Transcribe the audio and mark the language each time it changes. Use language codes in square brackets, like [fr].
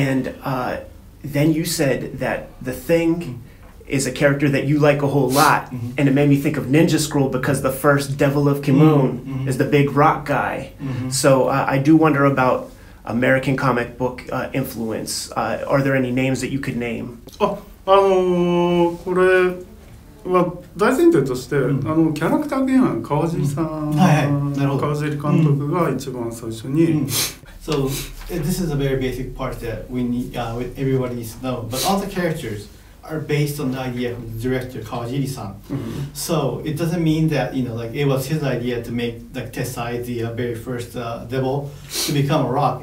[en] And then you said that the Thing mm-hmm. is a character that you like a whole lot, mm-hmm. and it made me think of Ninja Scroll because the first Devil of Kimoon mm-hmm. is the big rock guy. Mm-hmm. So I do wonder about American comic book influence. Are there any names that you could name? [ja] これは大前提として、mm-hmm. キャラクター原案川尻さん、mm-hmm. はい、川尻監督 mm-hmm. が一番最初に。Mm-hmm. [en] So this is a very basic part that we need, everybody needs to know. But all the characters are based on the idea of the director Kawajiri-san. Mm-hmm. So it doesn't mean that, you know, like it was his idea to make like Tessai, the very first devil, to become a rock.